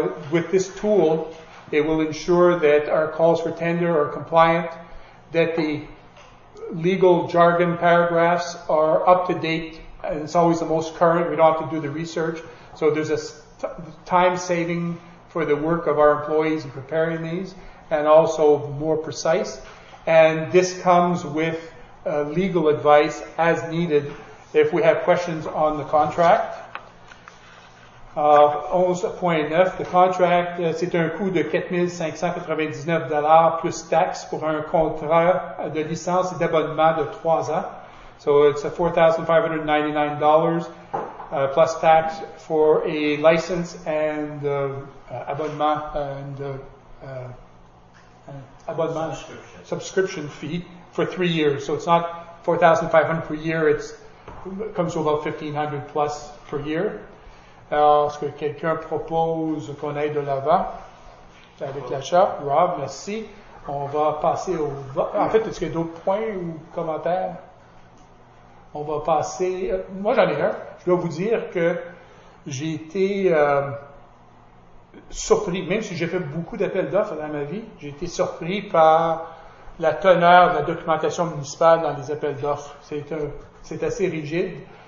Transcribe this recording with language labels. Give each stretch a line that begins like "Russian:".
English: With this tool, it will ensure that our calls for tender are compliant, that the legal jargon paragraphs are up to date, and it's always the most current. We don't have to do the research. So there's a time saving for the work of our employees in preparing these, and also more precise. And this comes with legal advice as needed if we have questions on the contract.
French: 11.9, le contract, c'est un coût de $4,599 plus taxes pour un contrat de licence et d'abonnement de 3 ans.
English: So it's a $4,599 plus tax for a license and abonnement and abonnement subscription fee for 3 years. So it's not $4,500 per year, it's, it comes to about $1,500 plus per year.
French: Alors, est-ce que quelqu'un propose qu'on aille de l'avant avec l'achat? Rob, merci. On va passer au vote. En fait, est-ce qu'il y a d'autres points ou commentaires? On va passer... Moi, j'en ai un. Je dois vous dire que j'ai été surpris, même si j'ai fait beaucoup d'appels d'offres dans ma vie, j'ai été surpris par la teneur de la documentation municipale dans les appels d'offres. C'est assez rigide.